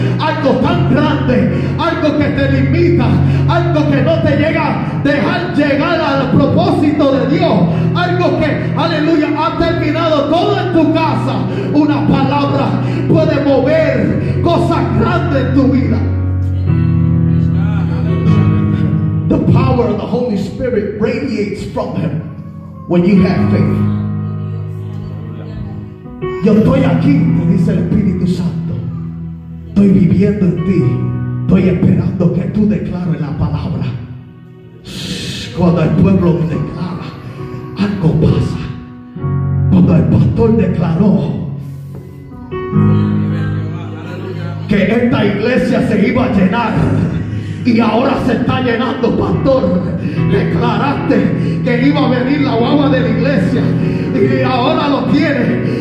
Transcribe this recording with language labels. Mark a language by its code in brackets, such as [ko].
[es] Algo tan grande, algo que te limita, algo que no te llega, dejar llegar al propósito de Dios, algo que, aleluya, ha terminado todo en tu casa. Una palabra puede mover cosas grandes en tu vida. [en] The power of the Holy Spirit radiates from him when you have faith. [es] Yo estoy aquí, te dice el Espíritu Santo. Estoy viviendo en ti. Estoy esperando que tú declares la palabra. Cuando el pueblo declara, algo pasa. Cuando el pastor declaró que esta iglesia se iba a llenar y ahora se está llenando, pastor, declaraste que iba a venir la guagua de la iglesia y ahora lo tiene.